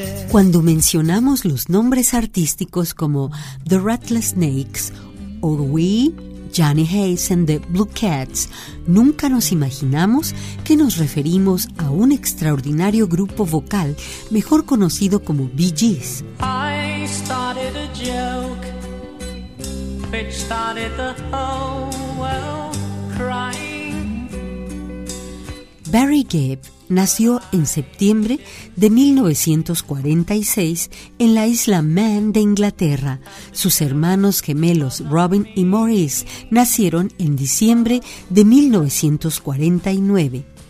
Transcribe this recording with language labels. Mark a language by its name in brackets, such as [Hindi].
[Spanish] Cuando mencionamos los nombres artísticos como The Rattlesnakes o We, Johnny Hayes and the Blue Cats, nunca nos imaginamos que nos referimos a un extraordinario grupo vocal mejor conocido como Bee Gees. [English] I started a joke, which started the whole world crying. [Spanish] Barry Gibb nació en septiembre de 1946 en la isla Man de Inglaterra. Sus hermanos gemelos Robin y Maurice nacieron en diciembre de 1949.